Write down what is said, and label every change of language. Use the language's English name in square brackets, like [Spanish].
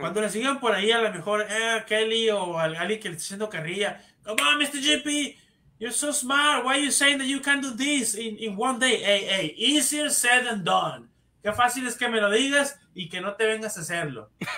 [Spanish] Cuando le sigan por ahí, a lo mejor Kelly o alguien que le está haciendo carrilla, [English] come on, Mr. JP, you're so smart. Why are you saying that you can do this in 1 day? Hey, easier said than done. [Spanish] Qué fácil es que me lo digas y que no te vengas a hacerlo.